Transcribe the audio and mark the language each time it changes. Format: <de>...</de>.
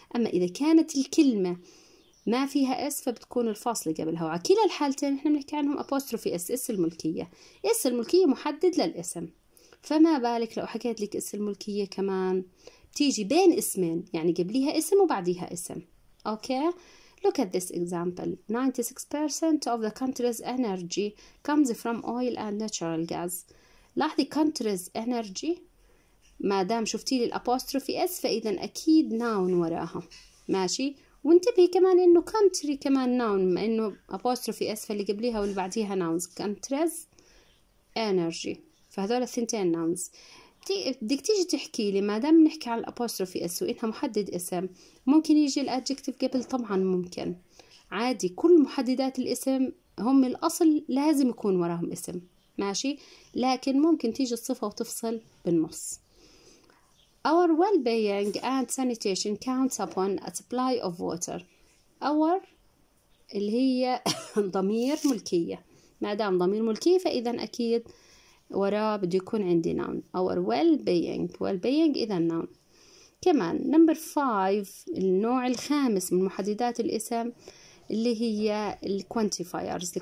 <ar>اما اذا كانت الكلمه ما فيها اس فبتكون الفاصله قبلها. وعلى كلا الحالتين احنا بنحكي عنهم ابوستروفي اس، اس الملكيه. اس الملكيه محدد للاسم، فما بالك لو حكيت لك اس الملكيه كمان تيجي بين اسمين، يعني قبليها اسم وبعديها اسم.</ar> <en>Okay look at this example. 96% of the country's energy comes from oil and natural gas.</en> <ar>لاحظي country's energy ما دام شفتي لي الابوستروفي اس فاذا اكيد noun وراها ماشي. وانتبهي كمان انه country كمان noun، انه ابوستروفي اس فاللي قبليها واللي بعديها nouns. country's energy فهذول الثنتين nouns. بدك تيجي تحكي لي ما دام نحكي عن الابوستروفي اس وانها محدد اسم ممكن يجي الادجكتيف قبل؟ طبعا ممكن عادي، كل محددات الاسم هم الاصل لازم يكون وراهم اسم ماشي، لكن ممكن تيجي الصفه وتفصل بالنص.</ar> <en>our well being and sanitation counts upon a supply of water.</en> <ar>our اللي هي ضمير ملكيه، ما دام ضمير ملكيه فاذا اكيد وراء بده يكون عندي noun. our well-being، well-being إذا noun. كمان number five النوع الخامس من محددات الاسم اللي هي quantifiers.</ar>